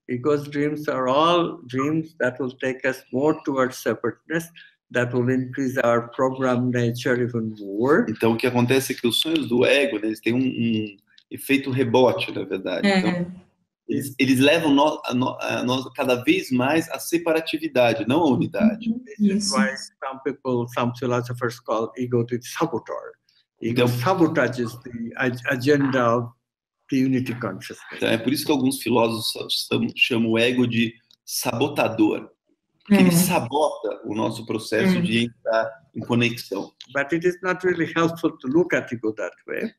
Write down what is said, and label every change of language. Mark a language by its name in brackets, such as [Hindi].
[English] Because dreams are all dreams that will take us more towards separateness, that will increase our program nature even more. [Portuguese] Então, o que acontece é que os sonhos do ego, eles têm um efeito rebote, na verdade. É. Então, eles levam nós cada vez mais à separatividade, não à unidade. [English] That's why some people, some philosophers call ego the saboteur. Ego sabotages the agenda of the unity consciousness. [Portuguese] Então, é por isso que alguns filósofos chamam o ego de sabotador. Porque ele sabota o nosso processo de entrar em conexão. [English] But it is not really helpful to look at ego that way.